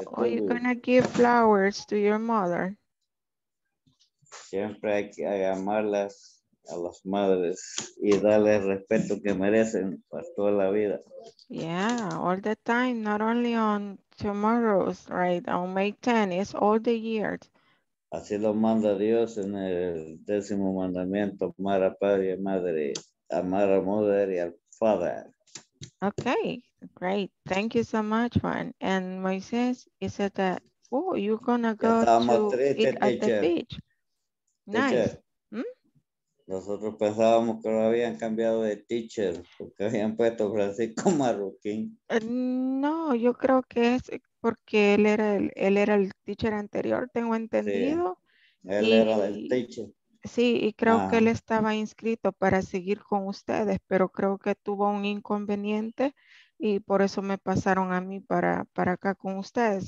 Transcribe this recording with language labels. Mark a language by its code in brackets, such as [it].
[en] Oh, you're going to give flowers to your mother? [es] Siempre hay que amarlas. A las madres y darle el respeto que merecen para toda la vida. [en] Yeah, all the time, not only on tomorrow's, right? On May 10, it's all the years. [es] Así lo manda Dios en el décimo mandamiento, amar a padre y a madre, amar a mother y al father. [en] Okay, great. Thank you so much, Juan. And Moises, is it that, oh, you're gonna go to triste, eat at the beach. Nice. Teacher. [es] Nosotros pensábamos que lo habían cambiado de teacher porque habían puesto Francisco Marroquín. No, yo creo que es porque él era el teacher anterior, tengo entendido. Sí, él y, era el teacher. Sí, y creo que él estaba inscrito para seguir con ustedes, pero creo que tuvo un inconveniente y por eso me pasaron a mí para acá con ustedes.